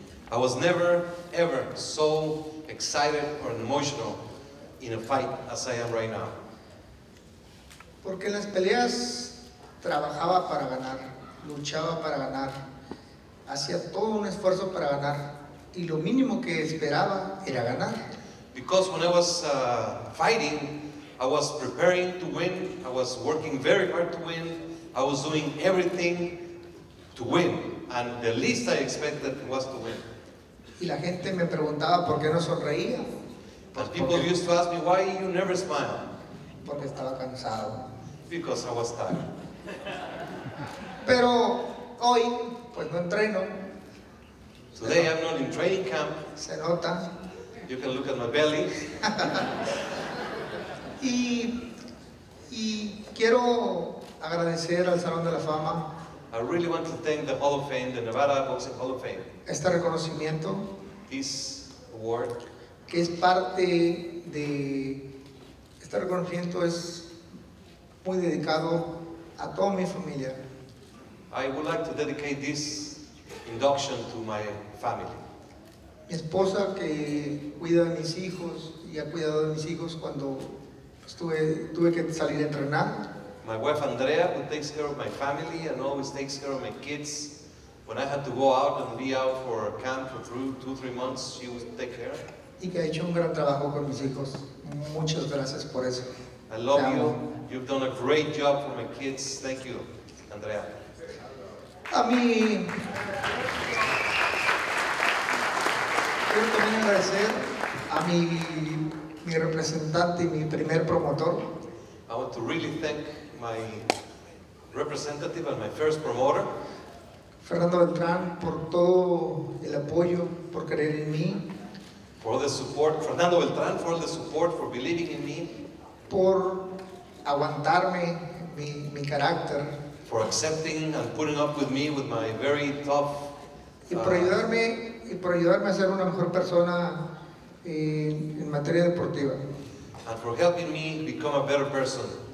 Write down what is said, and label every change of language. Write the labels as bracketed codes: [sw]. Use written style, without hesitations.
[en] I was never, ever so excited or emotional in a fight as I am right now. [es] Porque en las peleas trabajaba para ganar, luchaba para ganar, hacía todo un esfuerzo para ganar, y lo mínimo que esperaba era ganar. [en] Because when I was fighting, I was preparing to win, I was working very hard to win, I was doing everything to win, and the least I expected was to win. [es] Y la gente me preguntaba por qué no sonreía. [en] But people [es] porque, [en] used to ask me, why you never smile? [es] Porque estaba cansado. [en] Because I was tired. [es] Pero hoy, pues no entreno. [en] Today I'm not in training camp. [es] Se nota. [en] You can look at my belly. [es] y quiero agradecer al Salón de la Fama. [en] I really want to thank the Hall of Fame, the Nevada Boxing Hall of Fame. [es] Este reconocimiento. [en] This award. [es] Que es parte de este reconocimiento es muy dedicado a toda mi familia. [en] I would like to dedicate this induction to my family. [es] Mi esposa que cuida a mis hijos y ha cuidado de mis hijos cuando tuve que salir a entrenar. [en] My wife Andrea who takes care of my family and always takes care of my kids. When I had to go out and be out for a camp for two, three months, she would take care. [es] Y que ha hecho un gran trabajo con mis hijos. Muchas gracias por eso. [en] I love you. You've done a great job for my kids. Thank you, Andrea. [es] A mí. Quiero también agradecer a mi representante y mi primer promotor. [en] I want to really thank my representative and my first promoter. [es] Fernando Beltrán, por todo el apoyo, por creer en mí. [en] For all the support, Fernando Beltrán, for all the support, for believing in me. [es] Por aguantarme mi carácter. [en] For accepting and putting up with me with my very tough. [es] Y por ayudarme a ser una mejor persona en materia deportiva. [en] And for helping me become a better person.